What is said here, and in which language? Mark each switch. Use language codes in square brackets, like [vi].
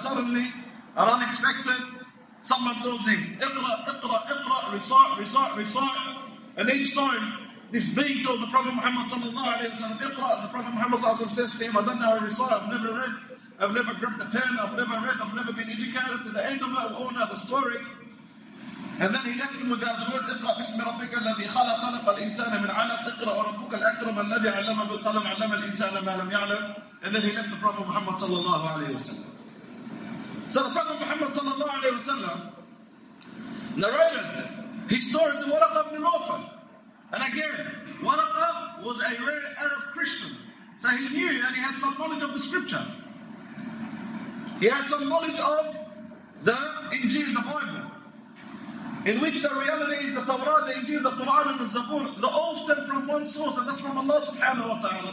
[en] Suddenly, an unexpected, someone tells him, iqra, iqra, iqra, recite, recite, recite. And each time, this being tells the Prophet Muhammad sallallahu alayhi wasallam, iqra, the Prophet Muhammad sallallahu alayhi wasallam says to him, I don't know how to recite, I've never read. I've never gripped a pen, I've never read, I've never been educated. To the end of it, we all know the story. And then he left him with those words, [ar] اقرأ بسم ربك الذي خلق خلق الإنسان من علق اقرأ وربك الأكرم الذي علم بالقلم علم الإنسان ما لم يعلم. [en] And then he left the Prophet Muhammad sallallahu alayhi wasallam. So the Prophet Muhammad sallallahu alayhi wasallam narrated his story to Waraqah ibn Nawfal. And again, Waraqah was a rare Arab Christian. So he knew and he had some knowledge of the scripture. He had some knowledge of the Injil, the Bible, in which the reality is the Torah, the Injil, the Quran, and the Zabur, they all stem from one source, and that's from Allah subhanahu wa ta'ala.